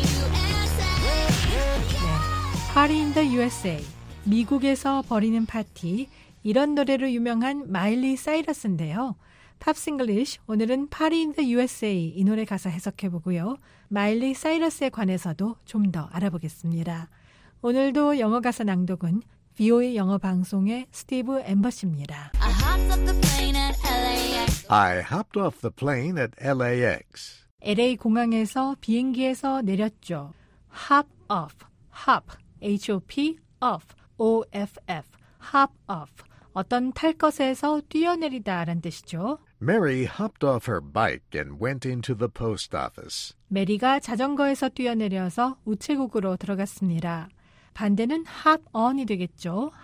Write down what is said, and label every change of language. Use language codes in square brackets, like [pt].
[ko] 네, Party in the USA, 미국에서 벌이는 파티, 이런 노래로 유명한 마일리 사이러스인데요. 팝스 잉글리쉬 오늘은 Party in the USA 이 노래 가사 해석해보고요. 마일리 사이러스에 관해서도 좀 더 알아보겠습니다. 오늘도 영어 가사 낭독은 VOA 영어 방송의 스티브 앰버시입니다. [en] I hopped off the plane at LAX. [ko] LA 공항에서 비행기에서 내렸죠. [en] Hop off, hop, H-O-P, off, O-F-F, hop off. [ko] 어떤 탈 것에서 뛰어내리다라는 뜻이죠. [en] Mary hopped off her bike and went into the post office. [ko] 메리가 자전거에서 뛰어내려서 우체국으로 들어갔습니다. 반대는 hop on이 되겠죠.